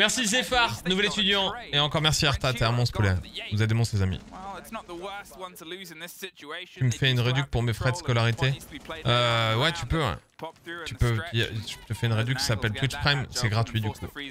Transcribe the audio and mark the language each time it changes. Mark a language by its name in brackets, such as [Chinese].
[French] Merci Zephar, nouvel étudiant, et encore merci Arta, t'es un monstre poulet. Vous êtes des monstres, les amis. [English] Well, it's not the worst one to lose in this situation. [French] Tu me fais une réduc pour mes frais de scolarité? Ouais, tu peux. Tu peux, je te fais une réduc qui s'appelle Twitch Prime, c'est gratuit du coup.